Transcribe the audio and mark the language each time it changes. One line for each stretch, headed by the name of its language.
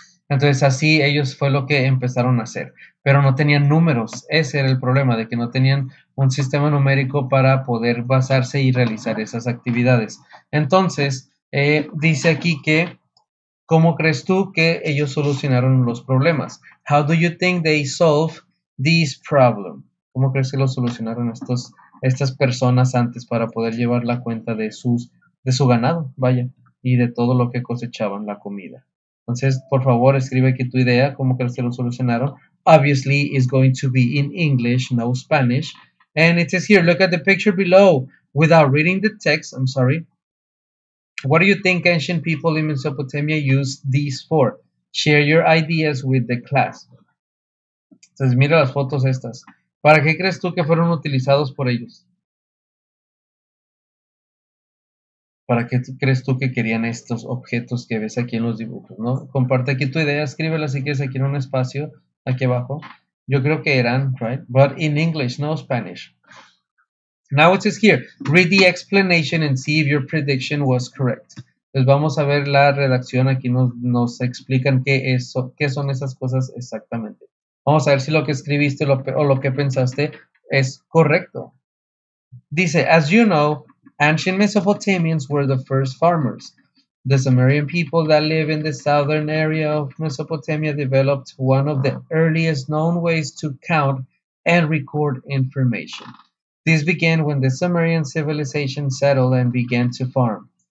Spanish: Entonces así ellos fue lo que empezaron a hacer, pero no tenían números. Ese era el problema, de que no tenían un sistema numérico para poder basarse y realizar esas actividades. Entonces, dice aquí que, ¿cómo crees tú que ellos solucionaron los problemas?
English: How do you think they solve this problem?
Spanish: ¿Cómo crees que lo solucionaron estas personas antes para poder llevar la cuenta de su ganado, vaya, y de todo lo que cosechaban, la comida? Entonces, por favor, escribe aquí tu idea, ¿cómo crees que lo solucionaron?
English: Obviously, it's going to be in English, no Spanish. And it says here, look at the picture below. Without reading the text, I'm sorry. What do you think ancient people in Mesopotamia use these for? Share your ideas with the class.
Spanish: Entonces, mira las fotos estas. ¿Para qué crees tú que fueron utilizados por ellos? ¿Para qué crees tú que querían estos objetos que ves aquí en los dibujos, no? Comparte aquí tu idea, escríbela si quieres aquí en un espacio, aquí abajo. Yo creo que eran,
English: right? But in English, no Spanish. Now it says here, read the explanation and see if your prediction was correct.
Spanish: Pues vamos a ver la redacción. Aquí nos explican qué son esas cosas exactamente. Vamos a ver si lo que escribiste o lo que pensaste es correcto.
English: Dice, as you know, ancient Mesopotamians were the first farmers. The Sumerian people that live in the southern area of Mesopotamia developed one of the earliest known ways to count and record information. This began when the Sumerian civilization settled and began to farm.